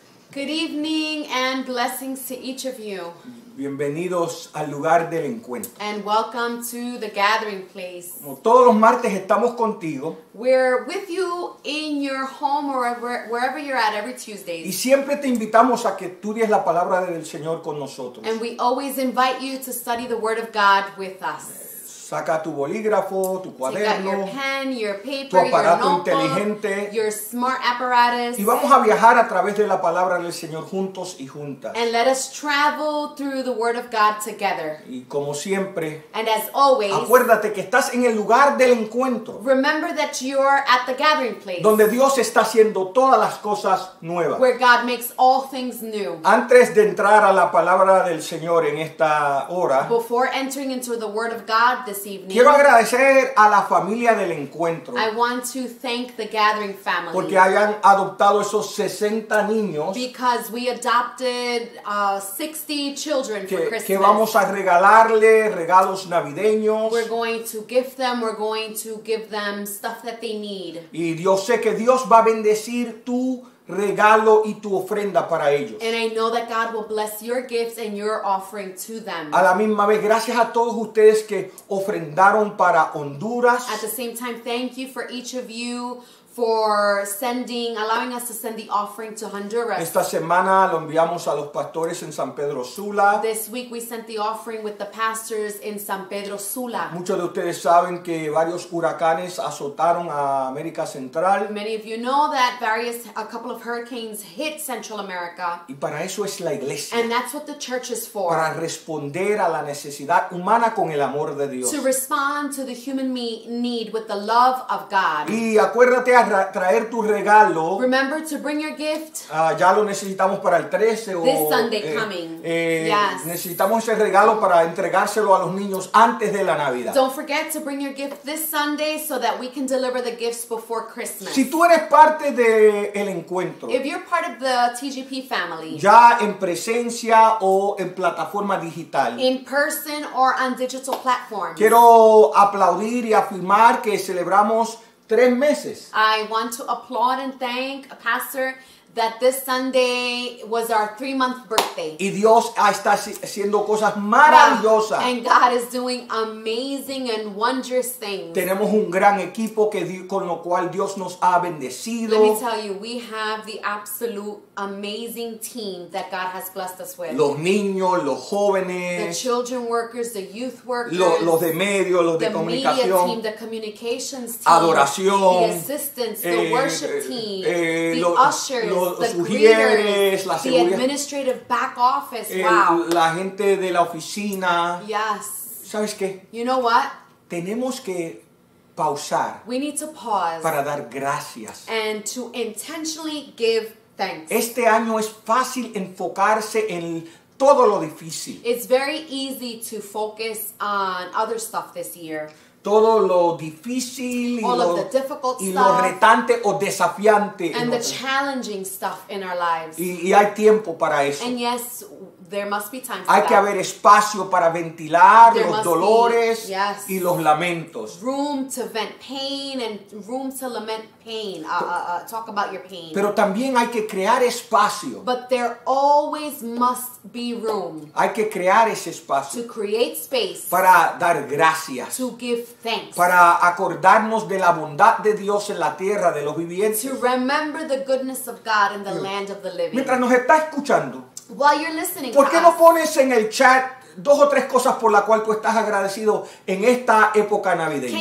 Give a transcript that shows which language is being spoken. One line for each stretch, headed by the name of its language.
English: Good evening and blessings to each of you.
Spanish: Bienvenidos al lugar del encuentro.
English: And welcome to the gathering place.
Spanish: Como todos los martes estamos contigo.
English: We're with you in your home or wherever you're at every Tuesday.
Spanish: Y siempre te invitamos a que estudies la palabra del Señor con nosotros.
English: And we always invite you to study the word of God with us.
Spanish: Saca tu bolígrafo, tu cuaderno,
English: your pen, your paper,
Spanish: tu aparato
English: your
Spanish: inteligente,
English: your smart apparatus,
Spanish: y vamos a viajar a través de la palabra del Señor juntos y juntas.
English: And let us travel through the word of God together.
Spanish: Y como siempre,
English: and as always,
Spanish: acuérdate que estás en el lugar del encuentro.
English: Remember that you're at the gathering place.
Spanish: Donde Dios está haciendo todas las cosas nuevas.
English: Where God makes all things new.
Spanish: Antes de entrar a la palabra del Señor en esta hora,
English: before entering into the word of God this evening,
Spanish: quiero agradecer a la familia del encuentro.
English: I want to thank the gathering family.
Spanish: Porque hayan adoptado esos 60 niños.
English: Because we adopted 60 children
Spanish: que,
English: for Christmas.
Spanish: Que vamos a regalarle regalos navideños.
English: We're going to give them, we're going to give them stuff that they need.
Spanish: Y yo sé que Dios va a bendecir tu regalo y tu ofrenda para ellos.
English: And I know that God will bless your gifts and your offering to them.
Spanish: A la misma vez, gracias a todos ustedes que ofrendaron para Honduras.
English: At the same time, thank you for each of you for sending, allowing us to send the offering to Honduras.
Spanish: Esta semana lo enviamos a los pastores en San Pedro Sula.
English: This week we sent the offering with the pastors in San Pedro Sula.
Spanish: Muchos de ustedes saben que varios huracanes azotaron a América Central.
English: Many of you know that a couple of hurricanes hit Central America.
Spanish: Y para eso es la iglesia.
English: And that's what the church is for.
Spanish: Para responder a la necesidad humana con el amor de Dios.
English: To respond to the human need with the love of God.
Spanish: Y acuérdate a traer tu regalo.
English: Remember to bring your gift.
Spanish: Ya lo necesitamos para el 13 o
English: this Sunday coming. Yes.
Spanish: Necesitamos ese regalo para entregárselo a los niños antes de la Navidad.
English: Don't forget to bring your gift this Sunday so that we can deliver the gifts before Christmas.
Spanish: Si tú eres parte del encuentro,
English: if you're part of the TGP family,
Spanish: ya en presencia o en plataforma digital,
English: in person or on digital platforms,
Spanish: quiero aplaudir y afirmar que celebramos 3 meses.
English: I want to applaud and thank a pastor that this Sunday was our 3-month birthday.
Spanish: Y Dios está haciendo cosas maravillosas.
English: And God is doing amazing and wondrous things.
Spanish: Tenemos un gran equipo que con lo cual Dios nos ha bendecido.
English: Let me tell you, we have the absolute amazing team that God has blessed us with.
Spanish: Los niños, los jóvenes,
English: the children workers, the youth workers,
Spanish: los de medio, los de comunicación,
English: the media team, the communications team,
Spanish: adoración,
English: the assistants, the worship team, ushers,
Spanish: los ujieres, la seguridad,
English: the administrative back office,
Spanish: la gente de la oficina.
English: Yes.
Spanish: ¿Sabes qué?
English: You know what?
Spanish: Tenemos que pausar.
English: We need to pause.
Spanish: Para dar gracias.
English: And to intentionally give thanks.
Spanish: Este año es fácil enfocarse en todo lo difícil.
English: It's very easy to focus on other stuff this year.
Spanish: Todo lo difícil y
English: all
Spanish: lo,
English: of the difficult
Spanish: y lo retante o desafiante
English: and the challenging stuff in our lives.
Spanish: Y hay tiempo para eso.
English: And yes, there must be time for
Spanish: hay
English: that.
Spanish: Que haber espacio para ventilar
English: there
Spanish: los dolores
English: be, yes,
Spanish: y los lamentos.
English: Room to vent pain and room to lament pain. Talk about your pain.
Spanish: Pero también hay que crear espacio.
English: But there always must be room.
Spanish: Hay que crear ese espacio.
English: To create space.
Spanish: Para dar gracias.
English: To give thanks.
Spanish: Para acordarnos de la bondad de Dios en la tierra de los vivientes.
English: To remember the goodness of God in the land of the living.
Spanish: Mientras nos está escuchando,
English: while you're listening,
Spanish: ¿por qué no pones en el chat dos o tres cosas por la cual tú estás agradecido en esta época navideña?